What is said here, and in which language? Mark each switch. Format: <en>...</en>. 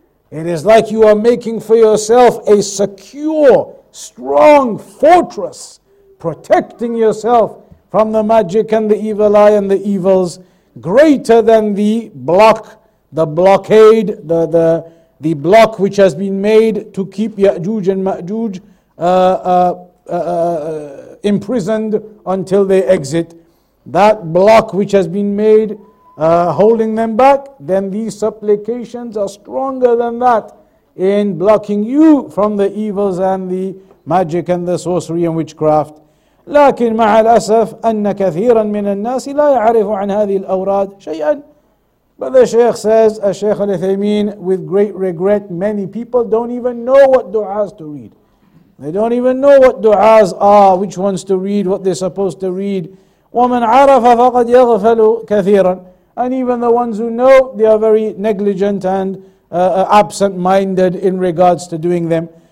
<en>It is like you are making for yourself a secure, strong fortress, protecting yourself from the magic and the evil eye and the evils, greater than the block, the blockade, the block which has been made to keep Ya'juj and Ma'juj imprisoned until they exit. That block which has been made holding them back, then these supplications are stronger than that in blocking you from the evils and the magic and the sorcery and witchcraft.</en> <ar>لكن مع الأسف أن كثيرا من الناس لا يعرف عن هذه الأوراد شيئا.</ar> <en>But the Shaykh says, as Shaykh al-Uthaymeen, with great regret, many people don't even know what du'as to read. They don't even know what du'as are, which ones to read, what they're supposed to read.</en> <ar>وَمَنْ عَرَفَ فَقَدْ يَغْفَلُ كَثِيرًا.</ar> <en>And even the ones who know, they are very negligent and absent-minded in regards to doing them.</en>